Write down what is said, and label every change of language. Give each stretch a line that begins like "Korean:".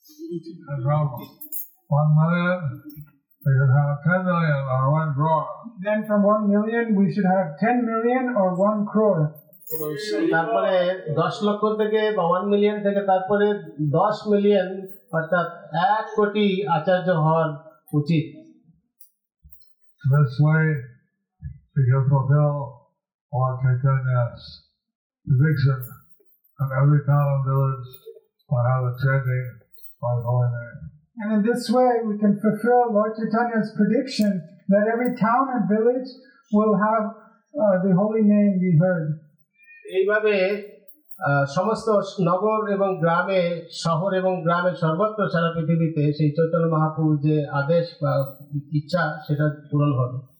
English: We should have 10 million or 1 crore. Then from 1 million, we should have 10 million or 1 crore.
Bangla: তারপরে 10,00,000 থেকে বা 1,000,000 থেকে তারপরে 10,000,000 অর্থাৎ 1 কোটি আচার্য হওয়ার উচিত.
English: This way we can fulfill all Caitanya's vision and every town and village will have a chanting by going there. And in this way we can fulfill Lord Caitanya's prediction that every town and village will have the holy name be heard.
Bangla: এইভাবে সমস্ত নগর এবং গ্রামে শহর এবং গ্রামে সর্বত্র সারা পৃথিবীতে সেই চৈতন্য মহাপ্রভুর যে আদেশ বা ইচ্ছা সেটা পূরণ হবে.